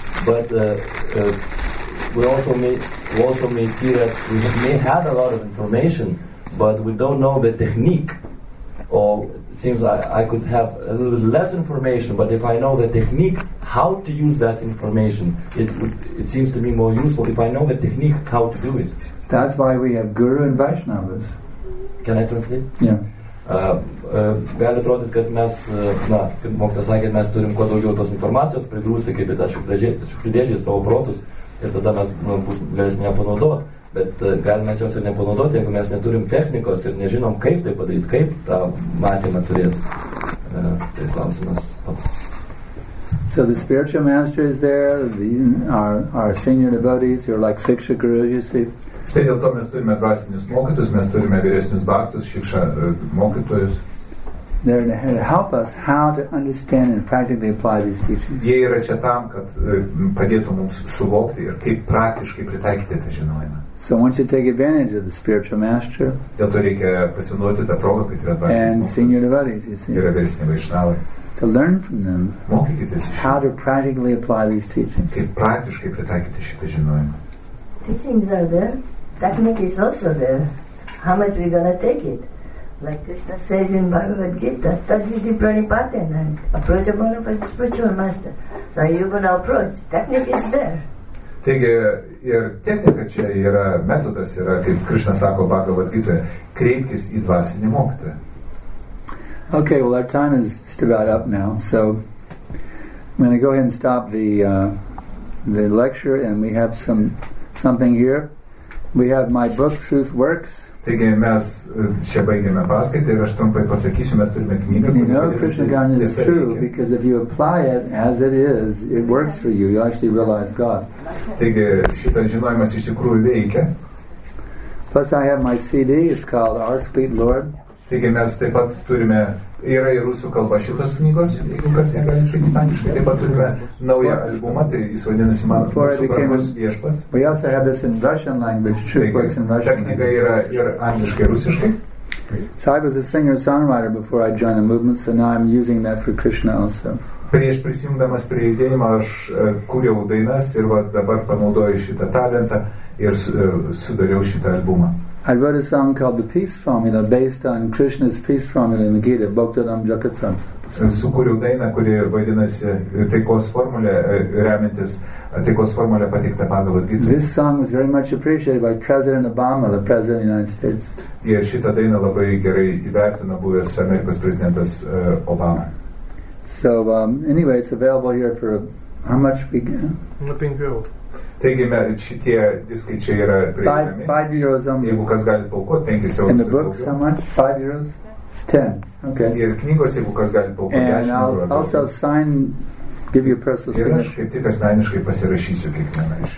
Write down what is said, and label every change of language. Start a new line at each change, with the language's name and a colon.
English: But we also may see that we may have a lot of information, but we don't know the technique. Or it seems like I could have a little less information, but if I know the technique, how to use that information, it seems to me more useful if I know the technique, how to do it. That's why we have Guru and Vaishnavas. Can I translate? Yeah.
Lithuanian: Gali atrodyti, kad mes, na, kaip mokytas sakė, mes turim kuo daugiau tos informacijos prigrūsti, kaip į tą šiukšlidėžį savo protus, ir tada mes galėsime ją panaudoti. Bet galime jos ir nepanaudoti, jeigu mes neturim technikos ir nežinom, kaip tai padaryti, kaip tą matymą turėti. Tai klausimas.
English: So the spiritual master is there, our senior devotees, you're like Siksha Gurus, you see.
Lithuanian: Štai dėl to mes turime dvasinius mokytus, mes turime vyresnius bhaktus, Siksha mokytojus.
English: They're there to help us how to understand and practically apply these teachings.
Lithuanian: Jie yra čia tam, kad padėtų mums suvokti ir kaip praktiškai pritaikyti tą žinojimą.
English: So I want you to take advantage of the spiritual master and senior devotees, you see, to learn from them how to practically apply these teachings. teachings are there, technique is also there. How much are we going to take it? Like Krishna says in Bhagavad Gita, Tadhiti Pranipaten, and approach a bona fide spiritual master. So are you going to approach? Technique is there.
Lithuanian: Taigi, ir technika čia yra, metodas yra, kaip Krishna sako Bhagavad Gita, kreipkis į dvasinį mokytoją.
English: Okay, well, our time is just about up now, so I'm going to go ahead and stop the lecture, and we have something here. We have my book, Truth Works.
Lithuanian: Taigi, mes čia baigėme paskaitę, ir aš trumpai pasakysiu, mes turime knygą.
English: You know, Krishna Ganesh is true, because if you apply it as it is, it works for you. You actually realize God.
Lithuanian: Taigi, šitas žinojimas iš tikrųjų veikia.
English: Plus, I have my CD, it's called Our Sweet Lord.
Lithuanian: Taigi, mes taip pat turime, yra ir rusų kalba šitos knygos, jeigu kas negali skaityti angliškai, taip pat turime naują albumą, tai jis vadinasi man supramus viešpats.
English: We also have this in Russian language, Truth
Lithuanian: taigi,
English: Works in Russian
Lithuanian: ta knyga yra ir angliškai, rusiškai.
English: So I was a singer-songwriter before I joined the movement, so now I'm using that for Krishna also.
Lithuanian: Prieš prisijungdamas prie judėjimo, aš kūrėjau dainas ir va, dabar panaudoju šitą talentą ir sudariau šitą albumą.
English: I wrote a song called The Peace Formula based on Krishna's Peace Formula in the Gita, Bhaktaram Jagatam.
Lithuanian: Sukūriau dainą, kuri vadinasi taikos formulė, remiantis taikos formulė pateikta Bhagavad Gita.
English: This song was very much appreciated by President Obama, the President of the United States.
Lithuanian: Ir šitą dainą labai gerai įvertino buvęs Amerikos prezidentas Obama.
English: So, anyway, it's available here for how much we get? Nothing good.
Lithuanian: Taigi, šitie diskai čia yra prieinami. Jeigu kas galit paukoti, 5 eurus.
English: In the books, how much? 5 euros? 10. Okay.
Lithuanian: Ir knygos, jeigu kas galit paukoti, 10 eurų.
English: And I'll also sign, give you a personal signature.
Lithuanian: Ir aš kaip tik asmeniškai pasirašysiu kiekvieną iš